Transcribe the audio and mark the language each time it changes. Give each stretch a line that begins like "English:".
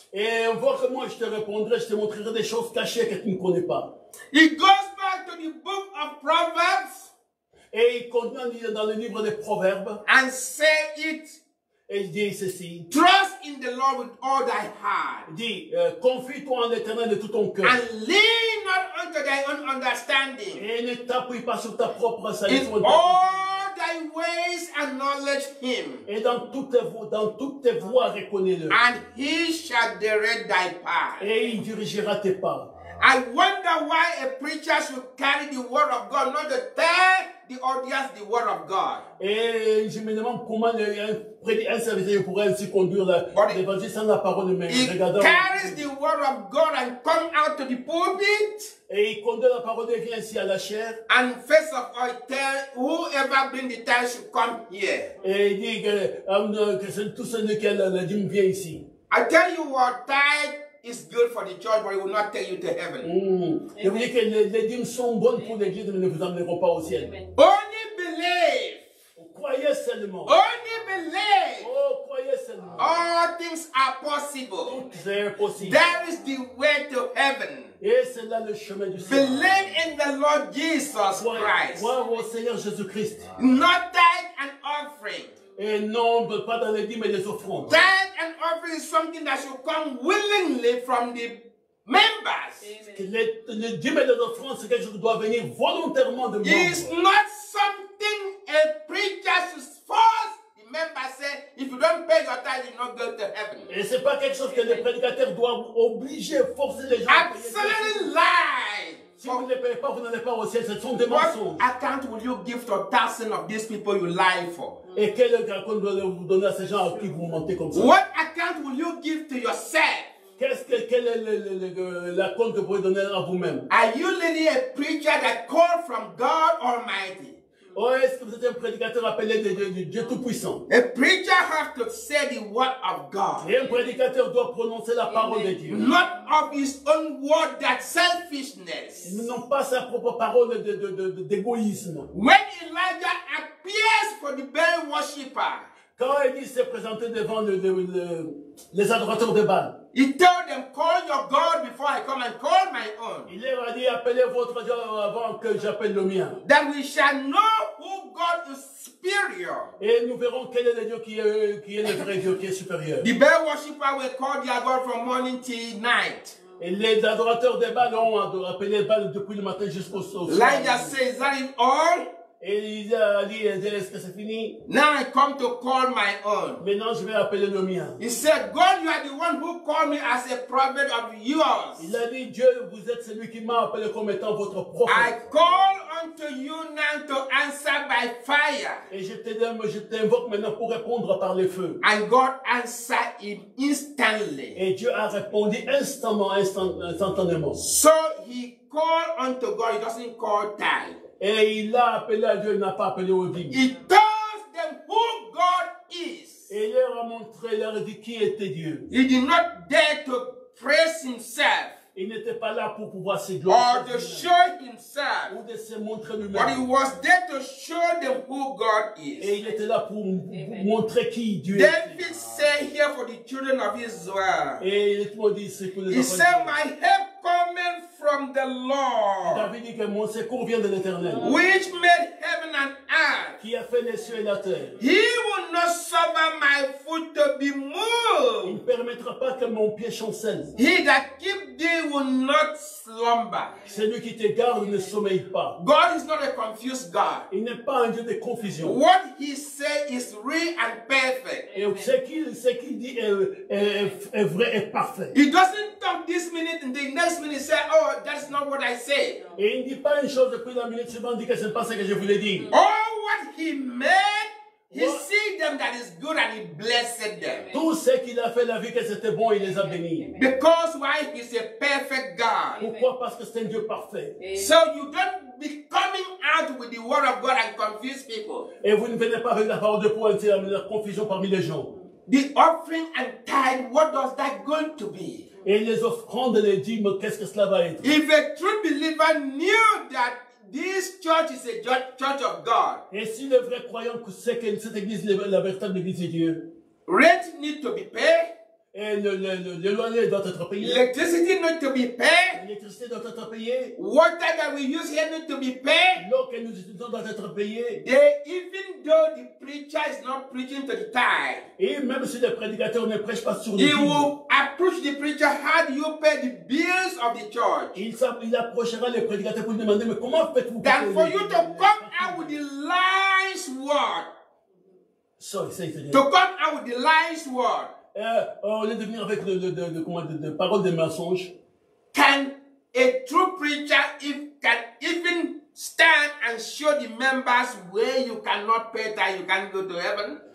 French: Et invoque-moi, je te répondrai, je te montrerai des choses cachées que tu ne connais pas.
English: He goes back to the book of Proverbs.
French: Et il continue dans le livre des Proverbes.
English: And say it.
French: Et il dit ceci.
English: Trust in the Lord with all thy heart.
French: Dit, confie-toi en l'Éternel de tout ton cœur.
English: And lean not unto thy own understanding.
French: Et ne t'appuie pas sur ta propre sagesse.
English: Thy ways acknowledge him.
French: Et dans toutes tes voies reconnais-le.
English: And he shall direct thy path.
French: Et il dirigera tes pas.
English: I wonder why a preacher should carry the word of God, not to tell the audience the word of God.
French: Et je me demande comment un serviteur pourrait ainsi conduire l'évangile sans la parole de même.
English: He carries the word of God and come out to the pulpit.
French: Et il conduit la parole et vient ici à la chair.
English: And first of all, tell whoever bring the time should come here.
French: Et dit que c'est tous ceux qui ont la dîme vient ici.
English: I tell you what, tithe is good for the church, but it will not take you to heaven.
French: Je vous dis que les dîmes sont bonnes pour l'église, mais ne vous amèneront pas au ciel.
English: Only believe.
French: Croyez seulement.
English: Only believe.
French: Oh, croyez seulement.
English: All things are possible.
French: Toutes sont possibles.
English: That is the way to heaven.
French: Et c'est là le chemin du ciel.
English: Believe in the Lord Jesus Christ.
French: Croyez au Seigneur Jésus Christ.
English: Not tithe and offering.
French: Et non, pas dans les dîmes et les offrandes.
English: Tithe and offering is something that should come willingly from the members.
French: Les dîmes et les offrandes, c'est quelque chose qui doit venir volontairement de membres.
English: It's not something a preacher should force the members. Say, if you don't pay your tithe, you're not going to heaven.
French: Et c'est pas quelque chose que les prédicateurs doivent obliger, forcer les gens.
English: Absolutely lie.
French: Si vous ne payez pas, vous n'allez pas au ciel. Ce sont des mensonges.
English: What account will you give to thousands of these people you lie for?
French: Et quel account allez vous donner à ces gens à qui vous mentez comme ça?
English: What account will you give to yourself?
French: Quel est le compte que vous pouvez donner à vous-même?
English: Are you really a preacher that called from God Almighty?
French: Ou est-ce que vous êtes un prédicateur appelé de Dieu Tout-Puissant?
English: A preacher has to say the word of God.
French: Et un prédicateur doit prononcer la parole de Dieu.
English: Not of his own word, that selfishness.
French: Non pas sa propre parole de d'égoïsme.
English: When Elijah appears for the Baal worshipper,
French: quand il s'est présenté devant les adorateurs de Baal,
English: he told them, call your God before I come and call my own.
French: Il leur a dit, appelez votre Dieu avant que j'appelle le mien.
English: Then we shall know who God is superior.
French: Et nous verrons quel est le Dieu qui est le vrai Dieu, qui est supérieur.
English: The Baal worshipper will call their God from morning till night.
French: Et les adorateurs de Baal ont appelé Baal depuis le matin jusqu'au soir.
English: Elijah says, is that it all?
French: Et il a dit, est-ce que c'est fini?
English: Now I come to call my own.
French: Maintenant je vais appeler le mien.
English: He said, God, you are the one who called me as a prophet of yours.
French: Il a dit, Dieu, vous êtes celui qui m'a appelé comme étant votre prophète.
English: I call unto you now to answer by fire.
French: Et je t'invoque maintenant pour répondre par le feu.
English: And God answered him instantly.
French: Et Dieu a répondu instantanément.
English: So he called unto God, he doesn't call time.
French: Et il a appelé à Dieu, il n'a pas appelé aux dîmes.
English: He told them who God is.
French: Et il leur a montré, il leur a dit qui était Dieu.
English: He did not dare to praise himself.
French: Il n'était pas là pour pouvoir se glorifier.
English: Or to show himself.
French: Ou de se montrer lui-même.
English: But he was there to show them who God is.
French: Et il était là pour montrer qui Dieu est.
English: David said here for the children of Israel.
French: Et il est pour les enfants.
English: He said, my help coming from the Lord.
French: David dit que mon secours vient de l'Éternel.
English: Which made heaven and earth.
French: Qui a fait les cieux et la terre.
English: He will not suffer my foot to be moved.
French: Il ne permettra pas que mon pied chancelle.
English: He that keep thee will not slumber.
French: Celui qui te garde ne sommeille pas.
English: God is not a confused God.
French: Il n'est pas un Dieu de confusion.
English: What he say is real and perfect.
French: Et ce qu'il dit est vrai et parfait.
English: He doesn't talk this minute and the next minute say, oh, that's not what I say.
French: Et il ne dit pas une chose depuis la minute suivante, dit que ce n'est pas ce que je voulais dire.
English: All what he made, he sees them that is good and he blessed them.
French: Tout ce qu'il a fait, la vie que c'était bon, il les a bénis.
English: Because why? He's a perfect God.
French: Pourquoi? Parce que c'est un Dieu parfait.
English: So you don't be coming out with the word of God and confuse people.
French: Et vous ne venez pas avec la parole de Dieu pour amener la confusion parmi les gens.
English: The offering and tithe, what does that going to be?
French: Et les offrandes, les dîmes, qu'est-ce que cela va être?
English: If a true believer knew that this church is a church of God.
French: Et si le vrai croyant sait que cette église est la véritable église de Dieu.
English: Rent need to be paid.
French: Et le loyer doit être payé.
English: Electricity need to be paid.
French: L'électricité doit être payée.
English: Water that we use here need to be paid.
French: L'eau que nous utilisons doit être payée.
English: They, even though the preacher is not preaching to the tithe.
French: Et même si le prédicateur ne prêche pas sur
English: le tithe. He will approach the preacher, how do you pay the bills of the church?
French: Il approchera le prédicateur pour lui demander, mais comment faites-vous pour payer?
English: For you to come out with the lies word. Sorry, say it again. To come out with the lies word.
French: Au lieu de venir avec le parole de mensonge,
English: can A true preacher can even stand and show the members where you cannot pay that you can go to heaven.